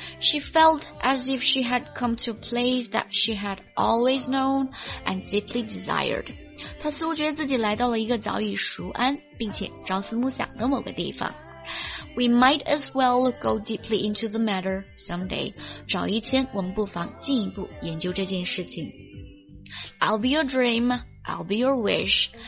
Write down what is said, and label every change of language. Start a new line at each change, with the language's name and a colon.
English: She felt as if she had come to a place that she had always known and deeply desired。
Chinese: 她似乎觉得自己来到了一个早已熟谙并且朝思暮想的某个地方。
English: We might as well go deeply into the matter someday。
Chinese: 找一天，我们不妨进一步研究这件事情。
English: I'll be your dream, I'll be your wish.